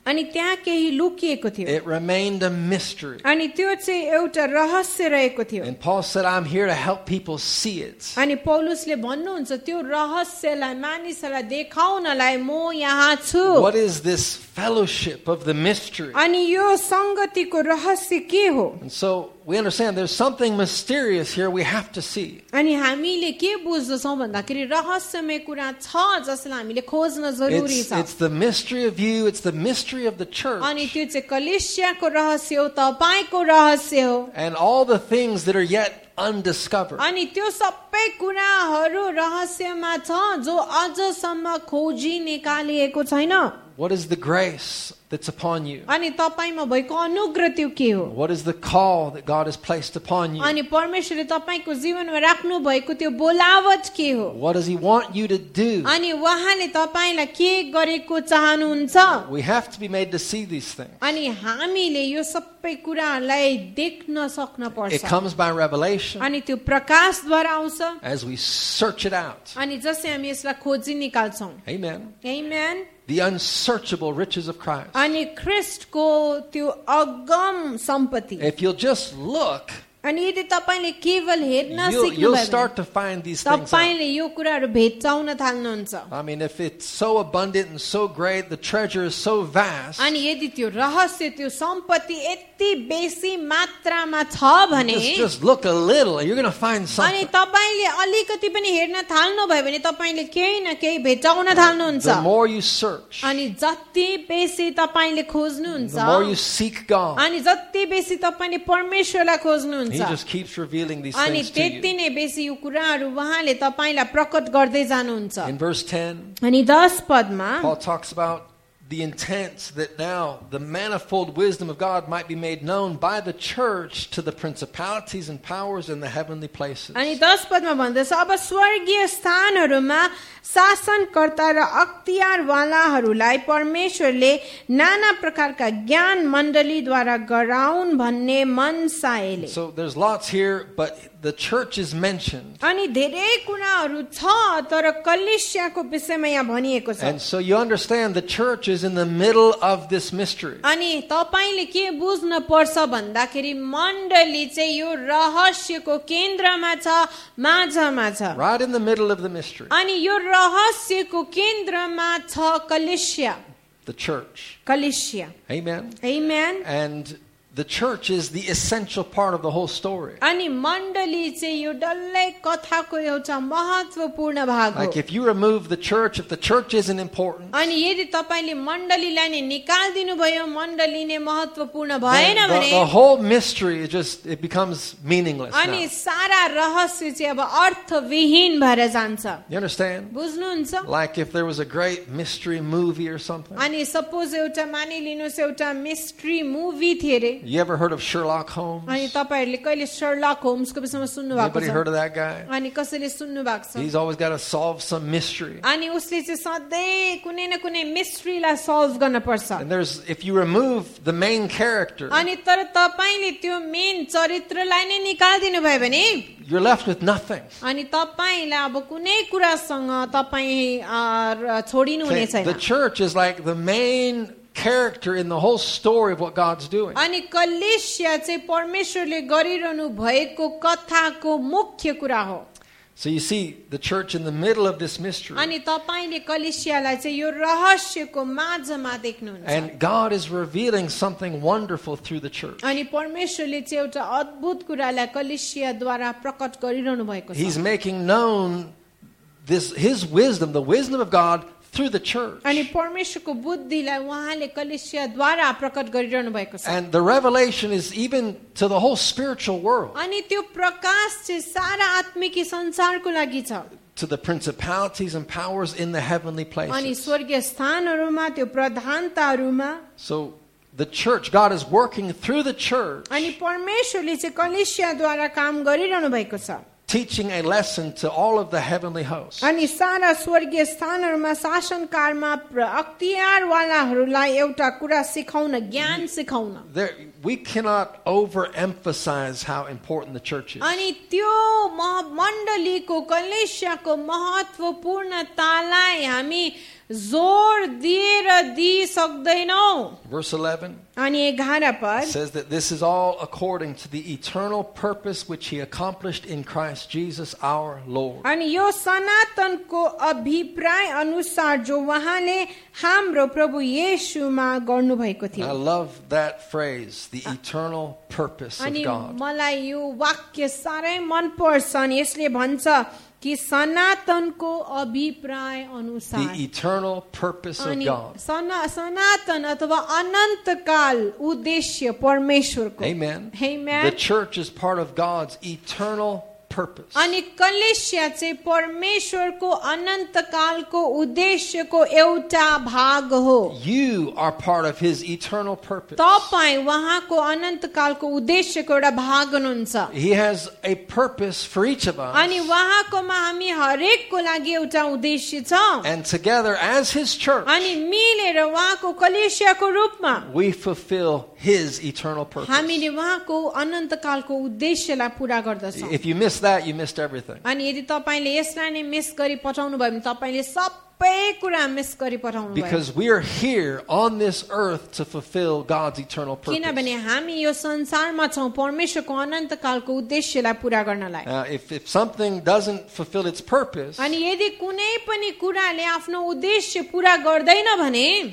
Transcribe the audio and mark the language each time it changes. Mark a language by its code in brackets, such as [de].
[ne] अनि त्यहाँ केही लुकिएको थियो. [en] It remained a mystery. [ne] अनि त्यो चाहिँ एउटा रहस्य रहेको थियो. [en] And Paul said, I'm here to help people see it. [ne] अनि पौलुसले भन्नुहुन्छ, त्यो रहस्यलाई मानिसलाई देखाउनलाई म यहाँ छु. [en] What is this fellowship of the mystery? [ne] अनि यो संगतिको रहस्य के हो? [en] And so we understand there's something mysterious here we have to see. [ne] अनि हामीले के बुझ्दछौ भन्दाखेरि रहस्यमय कुरा छ जसलाई हामीले खोज्न जरुरी छ. [en] It's the mystery of you, it's the mystery of the church. [ne] अनि त्यो चाहिँ कलिसियाको रहस्य हो, तपाईको रहस्य हो. [en] And all the things that are yet undiscovered. [ne] अनि त्यो सबै सबै कुराहरु रहस्यमा छ जो आजसम्म खोजी निकालिएको छैन. [en] What is the grace that's upon you? [ne] अनि तपाईंमा भएको अनुग्रह त्यो के हो? [en] What is the call that God has placed upon you? [ne] अनि परमेश्वरले तपाईंको जीवनमा राख्नु भएको त्यो बोलावट के हो? [en] What does he want you to do? [ne] अनि वहाँले तपाईंलाई के गरेको चाहनुहुन्छ? [en] We have to be made to see these things. [ne] अनि हामीले यो सबै कुरालाई देख्न सक्न पर्छ. [en] It comes by revelation. [ne] अनि त्यो प्रकाशद्वारा आउँछ. [en] As we search it out. [ne] अनि जसै हामी यसलाई खोजी निकाल्छौं. [en] Amen. [ne] Amen. [en] The unsearchable riches of Christ. [ne] अनि क्रिस्टको त्यो अगम सम्पत्ति. [en] If you'll just look, [ne] अनि यदि तपाईले केवल हेर्न सिक्नुभयो, [en] you'll start to find these things. [ne] तपाईले यो कुराहरू भेट्टाउन थाल्नुहुन्छ. [en] I mean, if it's so abundant and so great, the treasure is so vast. [ne] अनि यदि त्यो रहस्य त्यो सम्पत्ति यति बेसी मात्रामा छ भने, [en] just look a little, you're going to find something. [ne] अनि तपाईले अलिकति पनि हेर्न थाल्नुभयो भने तपाईले केही न केही भेट्टाउन थाल्नुहुन्छ. [en] The more you search. [ne] अनि जति बेसी तपाईले खोज्नुहुन्छ. [en] The more you seek God. [ne] अनि जति बेसी तपाईले परमेश्वरलाई खोज्नुहुन्छ. [en] He just keeps revealing these things to you. [ne] अनि त्यति नै बेसी यो कुराहरू वहाँले तपाईलाई प्रकट गर्दै जानुहुन्छ. [en] In verse 10. [ne] अनि 10 पदमा [en] Paul talks about the intent that now the manifold wisdom of God might be made known by the church to the principalities and powers in the heavenly places. [ne] अनि 10 पदमा भन्दछ अब स्वर्गीय स्थानहरूमा शासनकर्ता र अख्तियारवालाहरूलाई परमेश्वरले नाना प्रकारका ज्ञान मण्डलीद्वारा गराउन भन्ने मनसायले. [en] So there's lots here, but the church is mentioned. [ne] अनि धेरै कुराहरू छ तर कलिसियाको विषयमा यहाँ भनिएको छ. [en] And so you understand the church is in the middle of this mystery. [ne] अनि तपाईले के बुझ्न पर्छ भन्दाखेरि मण्डली चाहिँ यो रहस्यको केन्द्रमा छ, माझमा छ. [en] Right in the middle of the mystery. [ne] अनि यो रहस्यको केन्द्रमा छ कलिसिया. [en] The church. [ne] कलिसिया. [en] Amen. [ne] Amen. [en] And the church is the essential part of the whole story. [ne] अनि मण्डली चाहिँ यो डल्लै कथाको एउटा महत्त्वपूर्ण भाग हो. [en] Like if you remove the church, if the church isn't important. [ne] अनि यदि तपाईले मण्डलीलाई नै निकाल दिनुभयो, मण्डली नै महत्त्वपूर्ण भएन भने, [en] the whole mystery just it becomes meaningless. [ne] अनि सारा रहस्य चाहिँ अब अर्थविहीन भएर जान्छ. [en] You understand? [ne] बुझ्नुहुन्छ? [en] Like if there was a great mystery movie or something. [ne] अनि सपोज एउटा मानिलिनुस एउटा [en] mystery movie [ne] थिए. [en] You ever heard of Sherlock Holmes? [ne] अनि तपाईहरुले कहिले Sherlock Holmes को विषयमा सुन्नु भएको छ? [en] Anybody heard of that guy? [ne] अनि कसले सुन्नु भएको छ? [en] He's always got to solve some mystery. [ne] अनि उसले चाहिँ सधैं कुनै न कुनै mystery लाई solve गर्न पर्छ. [en] And there's if you remove the main character. [ne] अनि तर तपाईले त्यो मेन चरित्रलाई नै निकाल दिनुभयो भने, [en] you're left with nothing. [ne] अनि तपाईलाई अब कुनै कुरासँग तपाई छोडिनु हुने छैन. [en] The church is like the main character in the whole story of what God's doing. [ne] अनि कलिसिया चाहिँ परमेश्वरले गरिरहनु भएको कथाको मुख्य कुरा हो. [en] So you see the church in the middle of this mystery. [ne] अनि तपाईले कलिसियालाई चाहिँ यो रहस्यको माझमा देख्नुहुन्छ. [en] And God is revealing something wonderful through the church. [ne] अनि परमेश्वरले चाहिँ एउटा अद्भुत कुरालाई कलिसियाद्वारा प्रकट गरिरहनु भएको छ. [en] He's making known this his wisdom, the wisdom of God through the church. [ne] अनि परमेश्वरको बुद्धिलाई वहाँले कलिसियाद्वारा प्रकट गरिरहनु भएको छ. [en] And the revelation is even to the whole spiritual world. [ne] अनि त्यो प्रकाश चाहिँ सारा आत्मिक संसारको लागि छ. [en] To the principalities and powers in the heavenly places. [ne] अनि स्वर्गीय स्थानहरुमा त्यो प्रधानताहरुमा. [en] So the church, God is working through the church. [ne] अनि परमेश्वरले चाहिँ कलिसियाद्वारा काम गरिरहनु भएको छ. [en] Teaching a lesson to all of the heavenly hosts. [ne] अनि सारा स्वर्गीय स्थानहरुमा शासनकारमा अख्तियारवालाहरुलाई एउटा कुरा सिकाउन, ज्ञान सिकाउन. [en] We cannot overemphasize how important the church is. [ne] अनि त्यो मण्डलीको कलिसियाको महत्त्वपूर्णतालाई हामी जोर दिएर दिइ सक्दैनौ. [en] Verse 11. [ne] अनि 11 पद [en] says that this is all according to the eternal purpose which he accomplished in Christ Jesus our Lord. [ne] अनि यो सनातनको अभिप्राय अनुसार जो वहाँले हाम्रो प्रभु येशूमा गर्नु भएको थियो. [en] I love that phrase, the eternal purpose of God. [ne] अनि मलाई यो वाक्य सारै मन पर्छ. यसले भन्छ कि सनातनको अभिप्राय अनुसार, [en] the eternal purpose of God. [ne] सनातन अथवा अनन्तकाल उद्देश्य परमेश्वरको. [en] Amen. [ne] Amen. [en] The church is part of God's eternal purpose. purpose. [ne] अनि कलेशिया चाहिँ परमेश्वरको अनन्त कालको उद्देश्यको एउटा भाग हो. [en] You are part of his eternal purpose. [ne] तपाईं वहाँको अनन्त कालको उद्देश्यको एउटा भाग हुनुहुन्छ. [en] He has a purpose for each of us. [ne] अनि वहाँकोमा हामी हरेकको लागि एउटा उद्देश्य छ. [en] And together as his church. [ne] अनि मिलेर वहाँको कलेशियाको रूपमा [en] we fulfill his eternal purpose. [ne] हामीले वहाँको अनन्त कालको उद्देश्यलाई पूरा गर्दछौं. [en] If you miss that, you missed everything. [ne] अनि यदि तपाईले यसलाई नै मिस गरि पठाउनु भयो भने तपाईले सबै कुरा मिस गरि पठाउनु भयो. [en] Because we are here on this earth to fulfill God's eternal purpose. [ne] किनभने हामी यो संसारमा छौं परमेश्वरको अनन्त कालको उद्देश्यलाई पूरा गर्नलाई. [en] If something doesn't fulfill its purpose, [ne] अनि यदि कुनै पनि कुराले आफ्नो उद्देश्य पूरा गर्दैन भने